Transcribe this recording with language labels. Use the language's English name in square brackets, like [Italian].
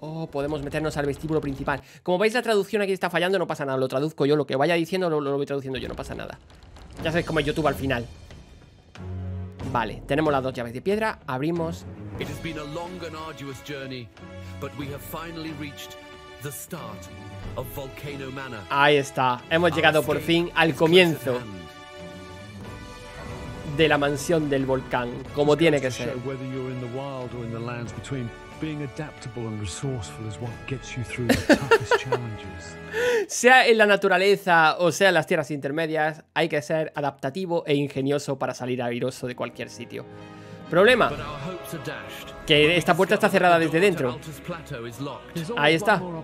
[Spanish] Podemos meternos al vestíbulo principal. Como veis, la traducción aquí está fallando, no pasa nada. Lo traduzco yo, lo que vaya diciendo lo voy traduciendo yo, no pasa nada. Ya sabéis cómo es YouTube al final. Vale, tenemos las dos llaves de piedra, abrimos. [English] It has been a long and arduous journey, but we have finally reached the start of Volcano Manor. [Spanish] Ahí está, hemos llegado por fin al comienzo de la mansión del volcán, como tiene que ser. [English] Whether you're in the wild or in the lands between, being adaptable and resourceful is what gets you through the toughest challenges. [Spanish] Sea en la naturaleza o sea en las tierras intermedias, hay que ser adaptativo e ingenioso para salir airoso de cualquier sitio. Problema, que esta puerta está cerrada desde dentro. Ahí está.